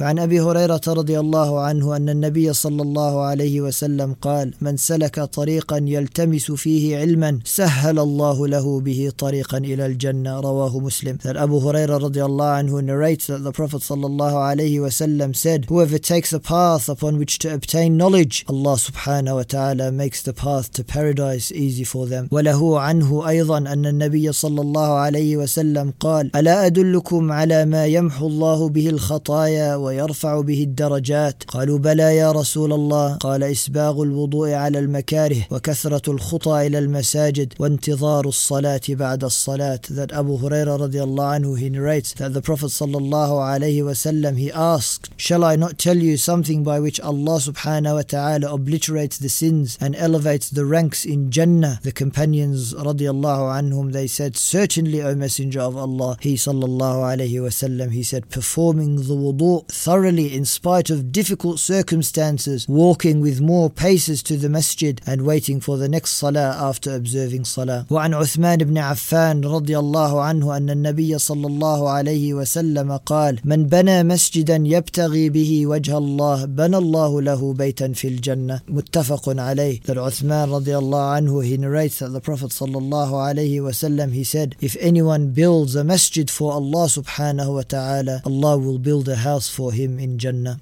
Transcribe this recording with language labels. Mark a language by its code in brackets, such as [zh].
[ar] فعن أبي هريرة رضي الله عنه أن النبي صلى الله عليه وسلم قال من سلك طريقا يلتمس فيه علما سهل الله له به طريقا إلى الجنة, رواه مسلم. [en] That Abu Huraira [ar] رضي الله عنه [en] narrates that the Prophet [ar] صلى الله عليه وسلم [en] said, whoever takes a path upon which to obtain knowledge, Allah subhanahu wa ta'ala makes the path to paradise easy for them. [ar] وله عنه أيضا أن النبي صلى الله عليه وسلم قال ألا أدلكم على ما يمحو الله به الخطايا ويرفع به الدرجات, قالوا بلى يا رسول الله, قال إسباغ الوضوء على المكاره وكثرة الخطى إلى المساجد وانتظار الصلاة بعد الصلاة. [en] That Abu Huraira [ar] رضي الله عنه, [en] he narrates that the Prophet [ar] صلى الله عليه وسلم, [en] he asked, shall I not tell you something by which Allah subhanahu wa ta'ala obliterates the sins and elevates the ranks in Jannah? The companions [ar] رضي الله عنهم, [en] they said, certainly O Messenger of Allah. He [ar] صلى الله عليه وسلم, [en] he said, performing the wudu thoroughly in spite of difficult circumstances, walking with more paces to the masjid and waiting for the next salah after observing salah. [ar] وعن عثمان بن عفان رضي الله عنه أن النبي صلى الله عليه وسلم قال من بنى مسجدا يبتغي به وجه الله بنى الله له بيتا في الجنة. متفق عليه. [en] That عثمان [ar] رضي الله عنه, [en] he narrates that the Prophet [ar] صلى الله عليه وسلم, [en] he said, if anyone builds a masjid for Allah subhanahu wa ta'ala, Allah will build a house for him in Jannah.